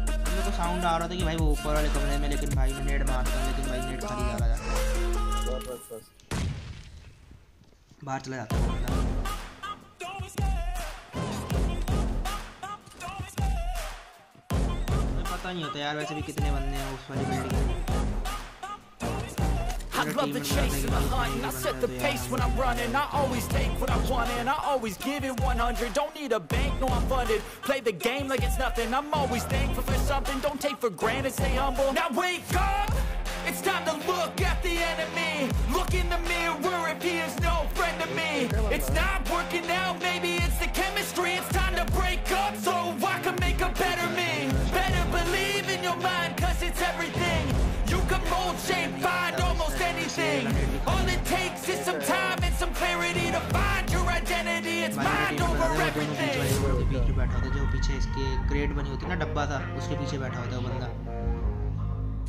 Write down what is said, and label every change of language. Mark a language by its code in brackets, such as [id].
[hi] मेरे को साउंड आ रहा था कि भाई वो ऊपर वाले कमरे में, लेकिन भाई मैं रेड मारता हूँ, लेकिन भाई रेड खाली आ रहा जाता है, बाहर चला जाता हूँ। पता नहीं होता यार वैसे भी कितने बंदे हैं उस वाली बिल्डिंग में। [en] I love the chase and the hunt, I set the pace when I'm running, I always take what I want and I always give it 100, don't need a bank, no I'm funded, play the game like it's nothing, I'm always thankful for something, don't take for granted, stay humble. Now wake up, it's time to look at the enemy, look in the mirror if he is no friend to me, it's not working out, maybe it's the chemistry, it's time to break up so I can make a better me, better believe in your mind cause it's everything, you can mold, shape, find. All it takes is some time and some clarity to find your identity. It's mind over everything. [hi] पीछे बैठा होता जो पीछे इसके crate बनी होती ना डब्बा था, उसके पीछे बैठा होता वो बंदा।